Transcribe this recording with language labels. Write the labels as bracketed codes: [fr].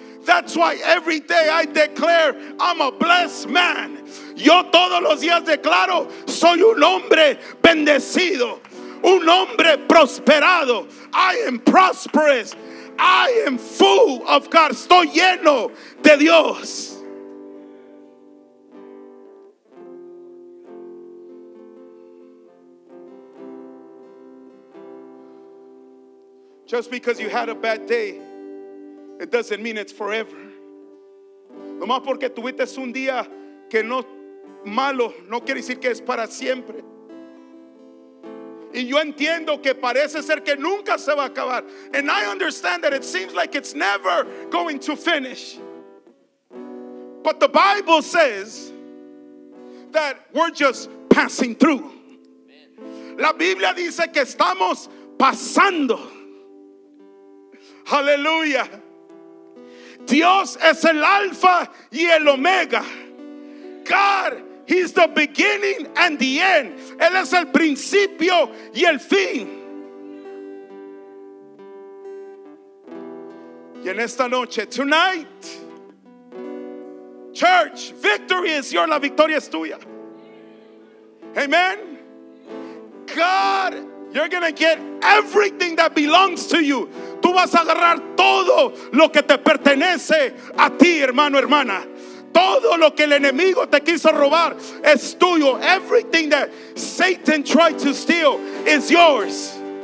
[en] That's why every day I declare I'm a blessed man. [es] Yo todos los días declaro soy un hombre bendecido, un hombre prosperado. [en] I am prosperous. I am full of God. [es] Estoy lleno de Dios. [en] Just because you had a bad day, it doesn't mean it's forever. [es] No más porque tuviste un día que no malo, no quiere decir que es para siempre. Y yo entiendo que parece ser que nunca se va a acabar. [en] And I understand that it seems like it's never going to finish. But the Bible says that we're just passing through. [es] La Biblia dice que estamos pasando. Aleluya. Dios es el Alfa y el Omega. [en] God is the beginning and the end. [es] Él es el principio y el fin. Y en esta noche, [en] tonight, church, victory is yours. [es] La victoria es tuya. Amen. [en] God, you're going to get everything that belongs to you. [es] Tú vas a agarrar todo lo que te pertenece a ti, hermano, hermana. Todo lo que el enemigo te quiso robar es tuyo. [en] Everything that Satan tried to steal is yours.